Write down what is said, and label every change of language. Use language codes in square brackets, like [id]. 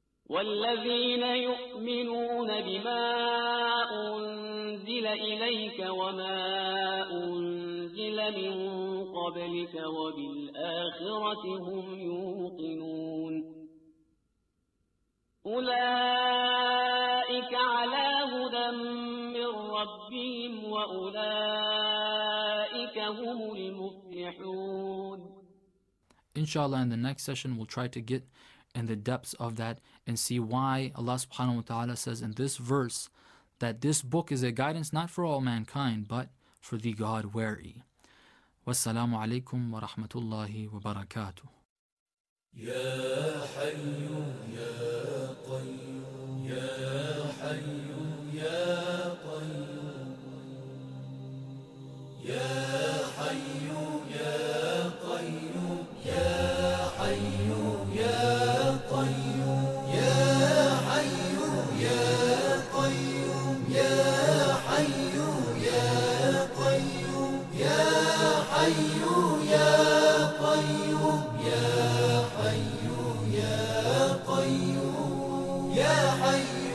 [ar] والذين يؤمنون بما أنزل إليك وما أنزل من قبلك وبالآخرة هم يوقنون أولئك على هدى من ربهم وأولئك هم المفلحون. إن شاء الله [en] in the next session we'll try to get in the depths of that and see why Allah subhanahu wa ta'ala says in this verse that this book is a guidance not for all mankind but for the God-wary. [ar] Wassalamu alaikum wa rahmatullahi wa barakatuh. Ya Hayyu Ya Qayyum Ya Hayyu Ya Qayyum Ya Hayyu Ya Qayyum Ya Hayyu Ya قيوم يا حي يا قيوم يا حي يا قيوم يا حي يا قيوم يا حي يا قيوم يا حي